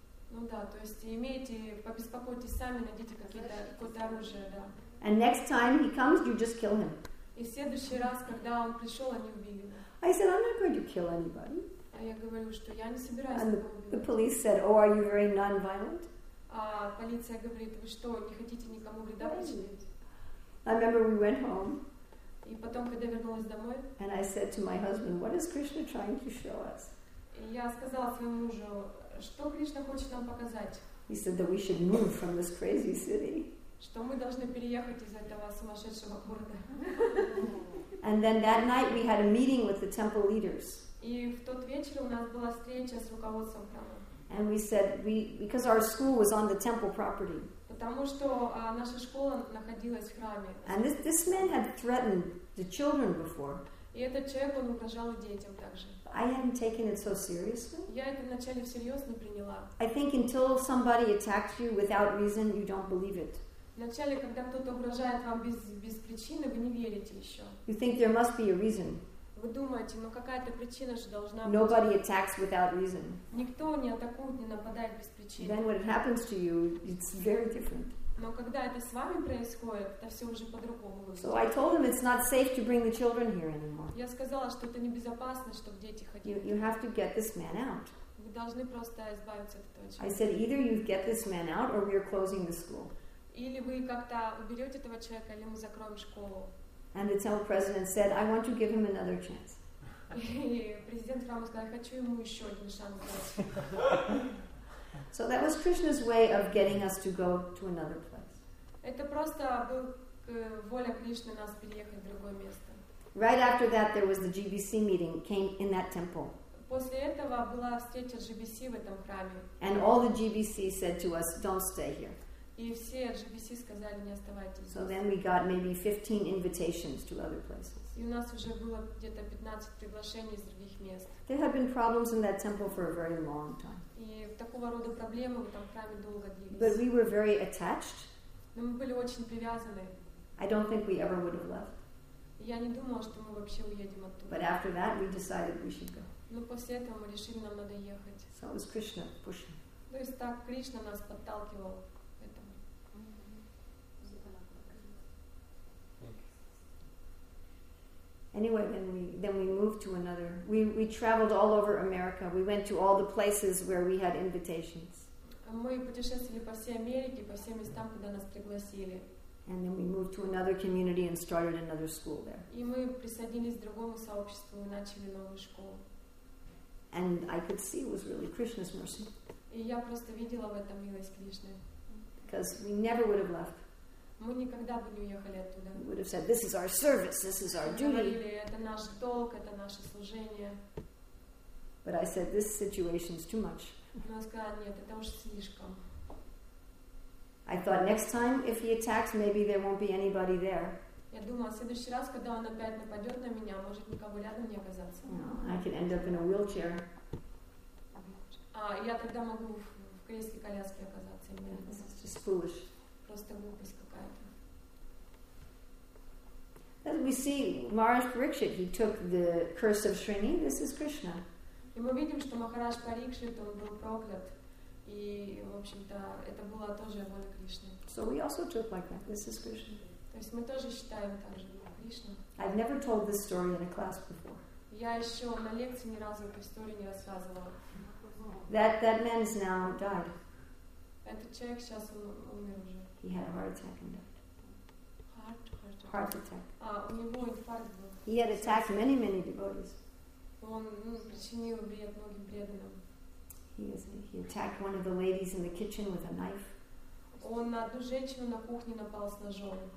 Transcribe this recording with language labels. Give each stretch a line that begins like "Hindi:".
Russian: Ну да, то есть имейте, побеспокойтесь сами, найдите какое-то оружие, да.
English: And next time he comes, you just kill him.
Russian: И в следующий раз, когда он пришел, они убили.
English: I said, I'm not going to kill anybody.
Russian: А я говорю, что я не собираюсь.
English: And the police said, oh, are you very non-violent?
Russian: А полиция говорит, вы что, не хотите никому вреда причинить?
English: I remember we went home.
Russian: И потом, когда вернулась домой.
English: And I said to my husband, what is Krishna trying to show us?
Russian: И я сказала своему мужу, что Кришна хочет нам показать?
English: He said that we should move from this crazy city.
Russian: Что мы должны переехать из этого сумасшедшего города.
English: And then that night we had a meeting with the temple leaders.
Russian: И в тот вечер у нас была встреча с руководством храма.
English: And we said we because our school was on the temple property.
Russian: Потому что наша школа находилась в храме.
English: And this man had threatened the children before.
Russian: И этот человек он угрожал детям также.
English: I hadn't taken it so seriously.
Russian: Я это вначале всерьез не приняла.
English: I think until somebody attacks you without reason, you don't believe it.
Russian: Вначале, когда кто-то угрожает вам без причины, вы не верите еще.
English: You think there must be a reason.
Russian: Вы думаете, ну какая-то причина же должна быть.
English: Nobody attacks without reason.
Russian: Никто не атакует, не нападает без причины.
English: Then when it happens to you, it's very different.
Russian: Но когда это с вами происходит, это все уже по-другому.
English: So I told him it's not safe to bring the children here anymore.
Russian: Я сказала, что это небезопасно, чтобы дети ходили.
English: You have to get this man out.
Russian: Вы должны просто избавиться от этого человека.
English: I said either you get this man out or we are closing the school.
Russian: Или вы как-то уберете этого человека, или мы закроем школу.
English: And the temple president said, I want to give him another chance.
Russian: И президент храма сказал, я хочу ему еще один шанс дать.
English: So that was Krishna's way of getting us to go to another place.
Russian: Это просто был воля Кришны нас переехать в другое место.
English: Right after that, there was the GBC meeting, came in that temple.
Russian: После этого была встреча GBC в этом храме.
English: And all the GBC said to us, don't stay here.
Russian: И все GBC сказали, не оставайтесь здесь.
English: So then we got maybe 15 invitations to other places.
Russian: И у нас уже было где-то 15 приглашений из других мест.
English: There had been problems in that temple for a very long time.
Russian: И такого рода проблемы в этом храме долго длились.
English: But we were very attached.
Russian: Но мы были очень привязаны.
English: I don't think we ever would have left.
Russian: Я не думала, что мы вообще уедем оттуда.
English: But after that we decided we should go.
Russian: Но после этого мы решили, нам надо ехать.
English: So it was Krishna pushing.
Russian: То есть так Кришна нас подталкивал.
English: Anyway, then we moved to another. We traveled all over America. We went to all the places where we had invitations.
Russian: Мы путешествовали по всей Америке, по всем местам, куда нас пригласили.
English: And then we moved to another community and started another school there.
Russian: И мы присоединились к другому сообществу и начали новую школу.
English: And I could see it was really Krishna's mercy.
Russian: И я просто видела в этом милость Кришны.
English: Because we never would have left.
Russian: Мы никогда бы не уехали оттуда.
English: We would have said, this is our service, this is our duty.
Russian: Говорили, это наш долг, это наше служение.
English: But I said, this situation is too much.
Russian: Но я сказала, нет, это уж слишком.
English: I thought, next time, if he attacks, maybe there won't be anybody there.
Russian: Я думала, в следующий раз, когда он опять нападет на меня, может никого рядом не оказаться.
English: No, I can end up in a wheelchair.
Russian: А я тогда могу в кресле коляски оказаться.
English: It's just foolish.
Russian: Просто глупость.
English: As we see Maharaj Parikshit, he took the curse of Shrini. This is Krishna.
Russian: И мы видим, что Махарадж Парикшит, он был проклят, и в общем-то это была тоже воля Кришны.
English: So we also took like that. This is Krishna.
Russian: То есть мы тоже считаем так же Кришна.
English: I've never told this story in a class before.
Russian: Я еще на лекции ни разу эту историю не рассказывала.
English: That man is now died.
Russian: Этот человек сейчас умер уже.
English: He had a heart attack and died. Heart attack.
Russian: У него инфаркт был.
English: He had attacked many, many devotees.
Russian: Он причинил вред многим преданным.
English: He attacked one of the ladies in the kitchen with a knife.
Russian: Он на одну женщину на кухне напал с ножом.